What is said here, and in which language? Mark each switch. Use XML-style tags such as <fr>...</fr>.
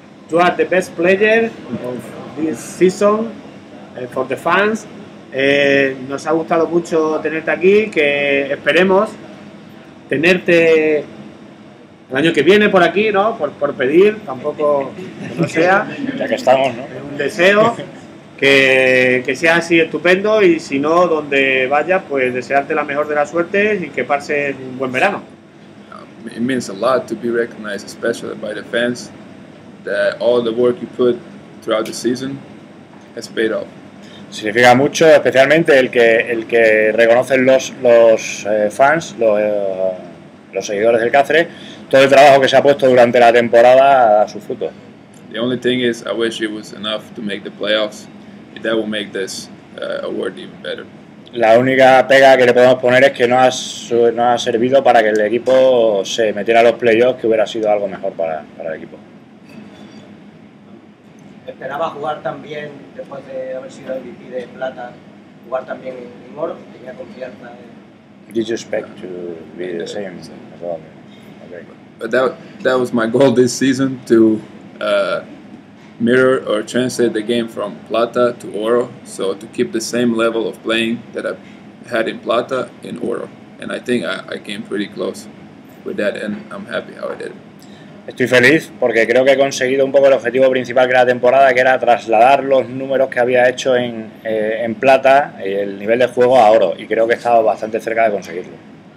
<en>You are the best player of this season for the fans.</en> <es>Nos ha gustado mucho tenerte aquí, que esperemos tenerte el año que viene por aquí, ¿no? Por pedir, tampoco que no sea. Ya que estamos, ¿no? Es un deseo. Que sea así estupendo, y si no, donde vayas, pues desearte la mejor de las suertes y que pase un buen verano.</es> <en>It means a lot to be recognized, especially by the fans, that all the work you put throughout the season has paid off.</en> <es>Significa mucho, especialmente el que reconocen los fans, los seguidores del Cáceres, todo el trabajo que se ha puesto durante la temporada a su fruto.</es> <en>The only thing is, I wish it was enough to make the playoffs. That will make this award even better.</en> <es>La única pega que le podemos poner es que no ha servido para que el equipo se metiera a los playoffs, que hubiera sido algo mejor para el equipo. Esperaba jugar también después de haber sido MVP de plata, jugar también en oro. Tenía confianza.</es> <en>Did you expect to be the same as well? Okay. But that was my goal this season, to mirror or translate the game from plata to oro, so to keep the same level of playing that I had in plata in oro, and I think I came pretty close with that, and I'm happy how I did it.</en> <es>Estoy feliz porque creo que he conseguido un poco el objetivo principal que era la temporada, que era trasladar los números que había hecho en plata, el nivel de juego, a oro, y creo que he estado bastante cerca de conseguirlo.</es>